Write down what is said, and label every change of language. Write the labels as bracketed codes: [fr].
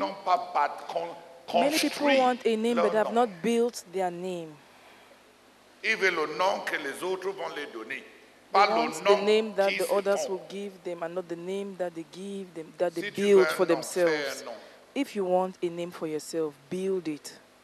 [en] Many people want a name, but have not built their name. [fr] Even le nom que les autres vont les donner. [en] The name that the others will give them, and not the name that they give them, that they build for themselves. If you want a name for yourself, build it.